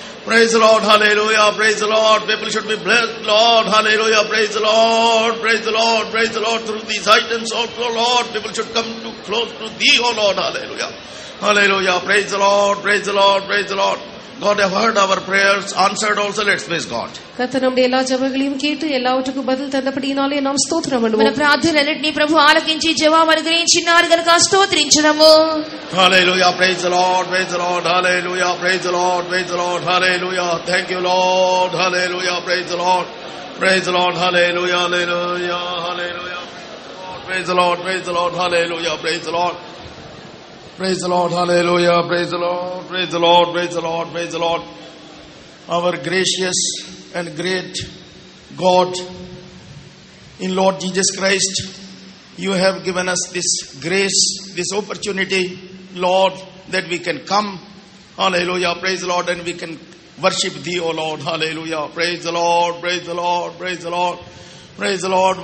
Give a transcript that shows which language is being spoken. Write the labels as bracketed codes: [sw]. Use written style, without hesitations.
[en] Praise the Lord, hallelujah, praise the Lord, people should be blessed, Lord, hallelujah, praise the Lord, praise the Lord, praise the Lord, through these items, also, Lord, people should come to close to thee, O Lord, hallelujah, hallelujah, praise the Lord, praise the Lord, praise the Lord. God have heard our prayers answered also let's praise God [ta] கர்த்தருடைய எல்லா ஜெபங்களையும் கேட்டு எல்லாவற்றுக்கும் பதில் தந்தபடியினாலே நாம் ஸ்தோத்திரம் பண்ணுவோம் [te] మన ప్రార్థనలన్నిటిని ప్రభు ఆలకించి జవాబు అనుగ్రహించినారు గనుక స్తోత్రించుదము [en] Hallelujah praise the Lord praise the Lord hallelujah praise the Lord praise the Lord hallelujah thank you Lord hallelujah praise the Lord praise the Lord hallelujah hallelujah hallelujah praise the Lord praise the Lord hallelujah praise the Lord Praise the Lord, hallelujah, praise the Lord, praise the Lord, praise the Lord, praise the Lord. Our gracious and great God, in Lord Jesus Christ, you have given us this grace, this opportunity, Lord, that we can come, hallelujah, praise the Lord, and we can worship thee, O Lord, hallelujah, praise the Lord, praise the Lord, praise the Lord, praise the Lord.